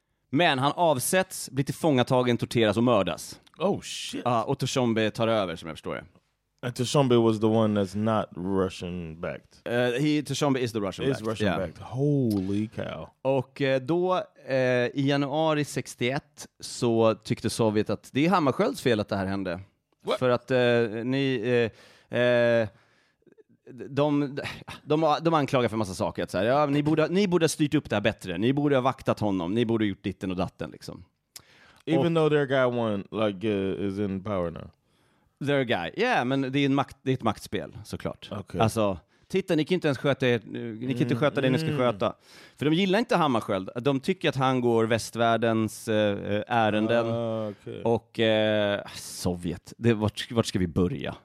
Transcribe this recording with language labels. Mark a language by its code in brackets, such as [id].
[sv] Men han avsätts, blir tillfångatagen, torteras och mördas. [en] Oh shit. [sv] Och Tshombe tar över, som jag förstår det. [en] And Tshombe was the one that's not Russian-backed. Tshombe is the Russian-backed. Is Russian-backed. Yeah. Holy cow. [sv] Och i januari 61 så tyckte Sovjet att det är Hammarskjölds fel att det här hände. [en] What? [sv] För att de anklagar för massa saker. Att så här, ja, ni borde ha styrt upp det här bättre. Ni borde ha vaktat honom. Ni borde ha gjort ditten och datten. Liksom. [en] Even though their guy won, like, is in power now. They're a guy. [sv] Yeah, men det är ett maktspel, såklart. [en] Okay. [sv] Alltså, titta, ni kan inte ens sköta er, ni kan inte sköta det ni ska sköta. För de gillar inte Hammarskjöld. De tycker att han går västvärldens ärenden. Okay. Och Sovjet. Det, vart ska vi börja?